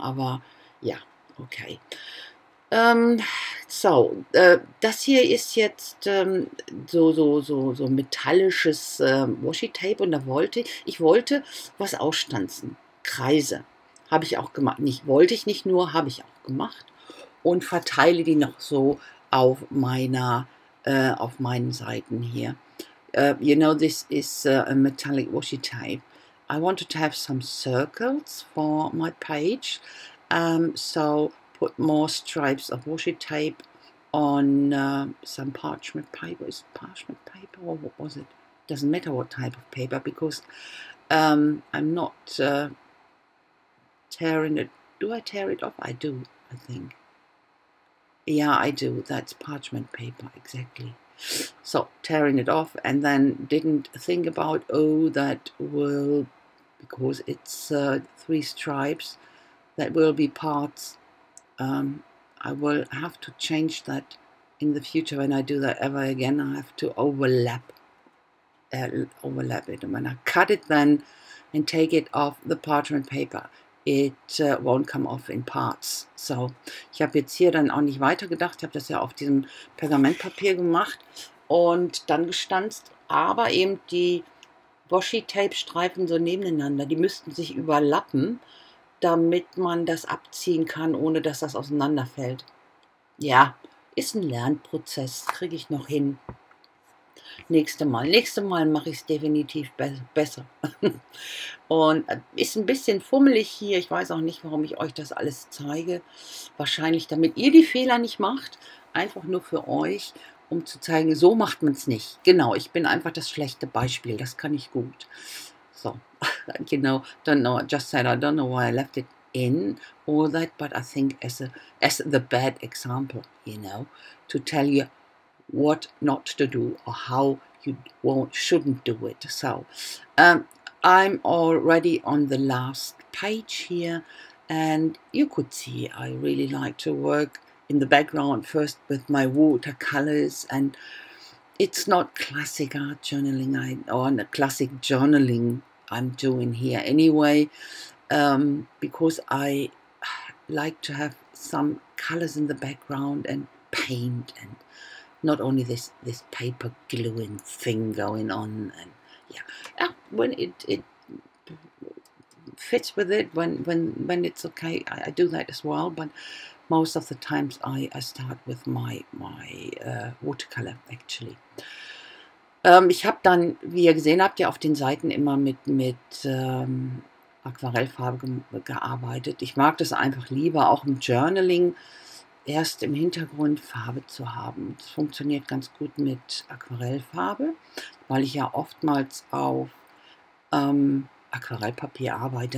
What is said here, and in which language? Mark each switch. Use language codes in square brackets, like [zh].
[de] Aber ja, okay. Das hier ist jetzt so metallisches Washi-Tape, und ich wollte was ausstanzen. Kreise habe ich auch gemacht. Nicht wollte ich, nicht nur, habe ich auch gemacht, und verteile die noch so auf meiner auf meinen Seiten [en] here. You know, this is a metallic washi tape. I wanted to have some circles for my page, so put more stripes of washi tape on some parchment paper. Is it parchment paper or what was it? Doesn't matter what type of paper, because I'm not tearing it. Do I tear it off? I do, I think. Yeah, I do. That's parchment paper, exactly. So tearing it off, and then didn't think about, oh, that will, because it's three stripes, that will be parts. I will have to change that in the future when I do that ever again. I have to overlap it, and when I cut it then and take it off the parchment paper, it won't come off in parts. [de] So ich habe jetzt hier dann auch nicht weiter gedacht. Ich habe das ja auf diesem Pergamentpapier gemacht und dann gestanzt. Aber eben die Washi-Tape-Streifen so nebeneinander, die müssten sich überlappen, damit man das abziehen kann, ohne dass das auseinanderfällt. Ja, ist ein Lernprozess, kriege ich noch hin. Nächste Mal mache ich es definitiv besser. Und ist ein bisschen fummelig hier. Ich weiß auch nicht, warum ich euch das alles zeige. Wahrscheinlich, damit ihr die Fehler nicht macht. Einfach nur für euch, um zu zeigen, so macht man es nicht. Genau, ich bin einfach das schlechte Beispiel. Das kann ich gut. So, genau. [en] Don't know, just said, I don't know why I left it in all that, but I think as the bad example, you know, to tell you what not to do or how you shouldn't do it. So I'm already on the last page here, and you could see I really like to work in the background first with my watercolors, and it's not classic art journaling classic journaling I'm doing here anyway, because I like to have some colors in the background and paint, and not only this paper gluing thing going on, and yeah, when it fits with it, when it's okay, I do that as well. But most of the times I start with my watercolor actually. [de] Ich habe dann, wie ihr gesehen habt, ja auf den Seiten immer mit Aquarellfarbe gearbeitet. Ich mag das einfach lieber, auch im Journaling. Erst im Hintergrund Farbe zu haben. Das funktioniert ganz gut mit Aquarellfarbe, weil ich ja oftmals auf Aquarellpapier arbeite.